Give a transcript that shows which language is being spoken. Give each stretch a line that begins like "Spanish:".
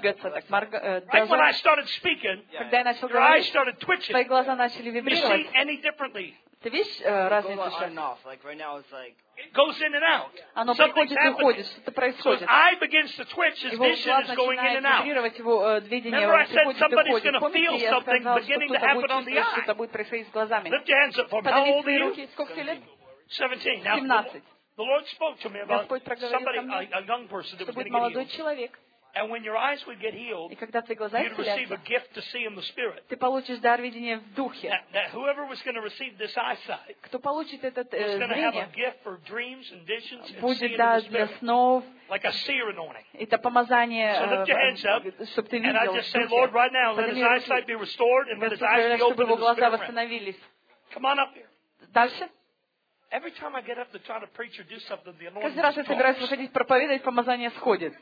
English: Like when I started speaking, your eyes started twitching.
Russian: Твои глаза начали вибрировать.
English: You see any differently?
Russian: Ты видишь разницу сейчас?
English: Like right now it's like. It goes in and out.
Russian: Оно приходит и уходит. Что-то происходит.
English: So his eye begins to twitch. His vision is going in and out.
Russian: Его глаз начинает вибрировать. Его видение приходит и уходит.
English: Remember I said somebody's going to feel something beginning to happen on the eye.
Russian: Что-то будет происходить с глазами.
English: Lift your hands up for how old are you? 17. The Lord spoke to me about somebody, a young person that was going to get healed.
Russian: Человек.
English: And when your eyes would get healed, you'd receive a gift to see in the spirit.
Russian: Ты получишь дар видения в духе.
English: That whoever was going to receive this eyesight,
Russian: кто получит этот зрение,
English: was going to have a gift for dreams and visions and see in the spirit.
Russian: Будет дар снов.
English: Like a seer anointing.
Russian: Это помазание.
English: So lift your hands up.
Russian: Чтоб ты видел.
English: And I just say, Lord, right now, let his eyesight be restored and let his eyes be opened in the spirit realm. Come on up here.
Russian: Дальше.
English: Every time I get up to try to preach or do something, the anointing.
Russian: Каждый раз я собираюсь выходить проповедовать, помазание сходит.